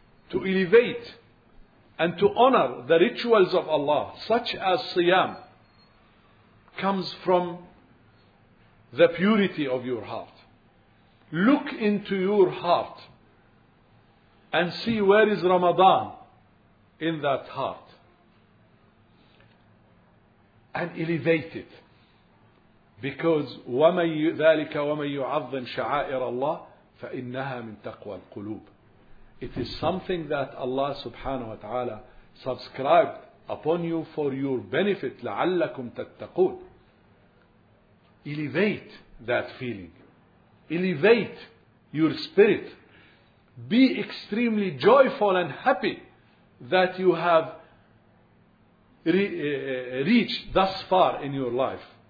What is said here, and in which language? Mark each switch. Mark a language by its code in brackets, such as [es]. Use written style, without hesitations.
[en] To elevate and to honor the rituals of Allah, such as Siyam, comes from the purity of your heart. Look into your heart and see where is Ramadan in that heart. And elevate it. Because [ar] وَمَنْ ذَلِكَ وَمَنْ يُعَظِّمْ شَعَائِرَ اللَّهِ فَإِنَّهَا مِنْ تَقْوَى الْقُلُوبِ. [en] It is something that Allah subhanahu wa ta'ala subscribed upon you for your benefit. [ar] لَعَلَّكُمْ تَتَّقُونَ. [en] Elevate that feeling. Elevate your spirit. Be extremely joyful and happy that you have reached thus far in your life.